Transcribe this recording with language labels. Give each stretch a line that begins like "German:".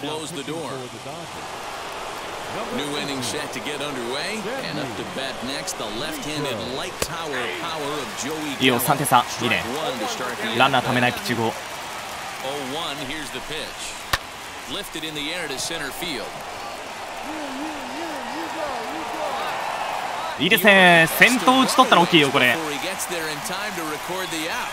English: New inning set to get underway, and up to bat next, the left-handed light tower power of Joey Gallo.
Japanese: いいよ、3点差、いいね。ランナー溜めないピッチング。
English: 0-1, here's the pitch. Lifted in the air to center field.
Japanese: いいですね、先頭打ち取ったら大きいよ、これ。
English: Before he gets there in time to record the out.